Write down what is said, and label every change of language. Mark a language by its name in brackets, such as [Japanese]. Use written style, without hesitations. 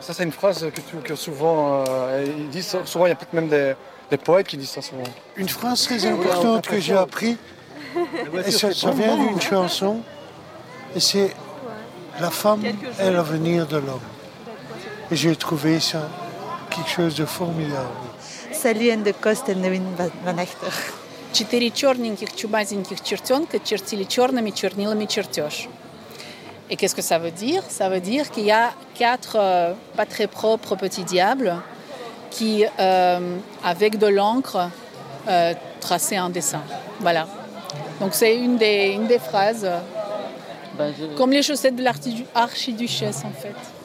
[French] Ça, c'est une phrase que souvent, ils disent souvent, il y a peut-être même des poètes qui disent ça souvent. Une phrase très importante que j'ai appris, et ça vient d'une chanson, et c'est « La femme est l'avenir de l'homme ». Et j'ai trouvé ça quelque chose de formidable. Salut Anne de Coste et Nevin Van Echter. [Russian] Четыре черненьких чубазеньких чертенка чертили черными чернилами чертеж. [French] Et qu'est-ce que ça veut dire? Ça veut dire qu'il y a 4 pas très propres petits diables qui, avec de l'encre, traçaient un dessin. Voilà. Donc c'est une des phrases. Ben, comme les chaussettes de l'archiduchesse, en fait.